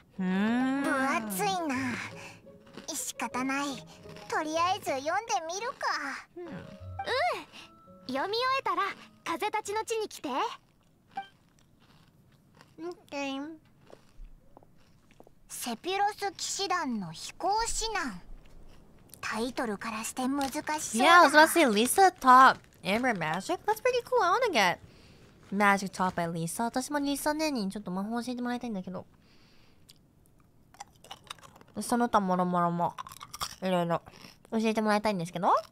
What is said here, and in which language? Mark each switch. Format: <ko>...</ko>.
<ja>分厚いな仕方ないとりあえず読んでみるかうん読み終えたら風たちの地に来て。</ja> <en>Okay.</en> <ja>セピロス騎士団の飛行指南。タイトルからして難しそうだ。</ja> <en>Yeah, I was about to say Lisa top Amber magic. That's pretty cool. I want to get magic taught by Lisa.</en> <ja>私もリサ姉にちょっと魔法教えてもらいたいんだけど。その他もろもろもいろいろ教えてもらいたいんですけど。</ja>